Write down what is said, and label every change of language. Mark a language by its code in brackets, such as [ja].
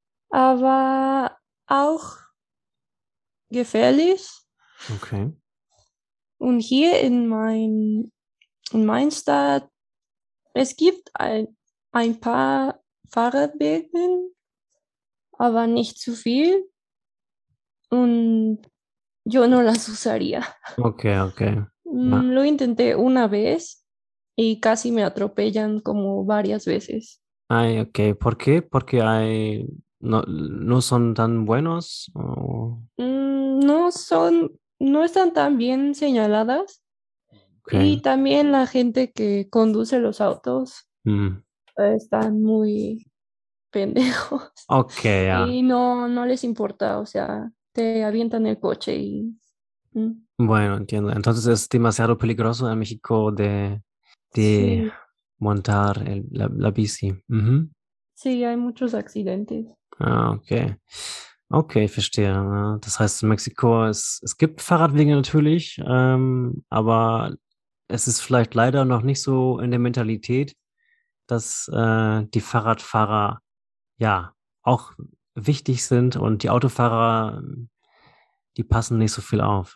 [de] Aber auch gefährlich. [en] Okay. [de] Und hier in mein Stadt, es gibt ein paar Fahrradwege, aber nicht zu viel. [es] Und yo no las usaría. [en] Okay. [es] Lo intenté una vez y casi me atropellan como varias veces. Ay, okay. ¿Por qué? Porque hay... No son tan buenos o... no están tan bien señaladas. [en] Okay. [es] Y también la gente que conduce los autos están muy pendejos. [en] Okay, ya. [es] Y no les importa, o sea, te avientan el coche y bueno, entiendo. Entonces es demasiado peligroso en México de sí. montar la bici. Sí, hay muchos accidentes. [de] Ah, okay, ich verstehe. Das heißt, in Mexiko, es gibt Fahrradwege natürlich, aber es ist vielleicht leider noch nicht so in der Mentalität, dass die Fahrradfahrer ja auch wichtig sind und die Autofahrer, die passen nicht so viel auf.